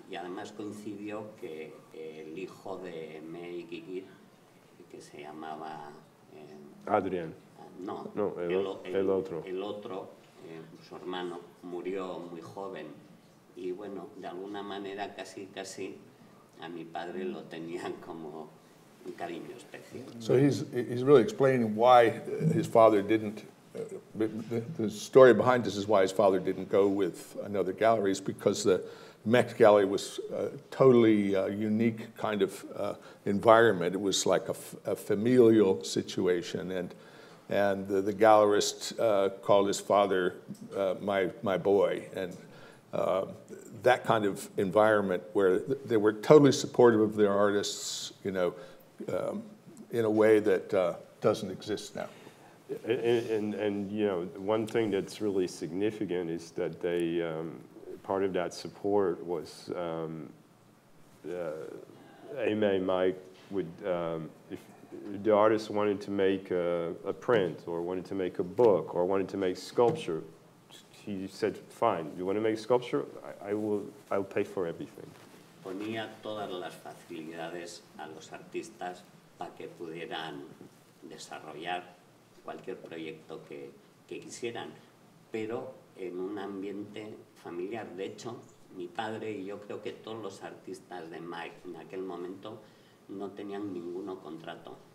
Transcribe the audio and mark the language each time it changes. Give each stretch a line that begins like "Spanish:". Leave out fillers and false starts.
Spanish: Y además coincidió que el hijo de May y Gigit, que se llamaba... Adrián. No, el otro. El otro, su hermano, murió muy joven. Y bueno, de alguna manera casi a mi padre lo tenían como un cariño especial.
English: So he's really explaining why his father didn't... The story behind this is why his father didn't go with another gallery. It's because the Met Gallery was a totally unique kind of environment. It was like a familial situation, and the gallerist called his father my boy, and that kind of environment where they were totally supportive of their artists, you know, in a way that doesn't exist now. And you know, one thing that's really significant is that they part of that support was Aimé and Mike would, if the artist wanted to make a print or wanted to make a book or wanted to make sculpture, he said, fine, you want to make sculpture? I'll pay for everything.
Spanish: Ponía todas las facilidades a los artistas para que pudieran desarrollar cualquier proyecto que quisieran, pero en un ambiente familiar. De hecho, mi padre y yo creo que todos los artistas de Mike en aquel momento no tenían ningún contrato.